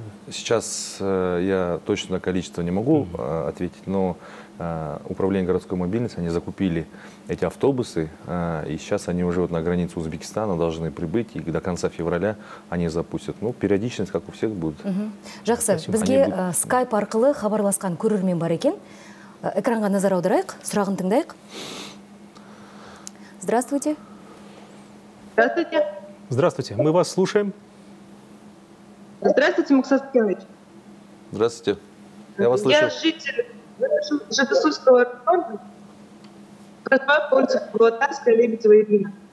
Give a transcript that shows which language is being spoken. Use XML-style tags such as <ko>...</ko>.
<ru>Сейчас я точно количество не могу ответить, но управление городской мобильности, они закупили эти автобусы, и сейчас они уже вот на границе Узбекистана должны прибыть, и до конца февраля они запустят. Ну, периодичность, как у всех, будет.</ru> <kk>Жақсы, бізге скайп арқылы хабарласқан көрермен бар екен. Экранға назар аударайық, сұрағын тыңдайық.</kk> <ru>Здравствуйте. Здравствуйте. Здравствуйте, мы вас слушаем. Здравствуйте, Мухсат Кимович. Здравствуйте. Я вас слышу. Я житель Житосульского района, просьба по улице Кулатарская, Лебедева, Ирина.</ru>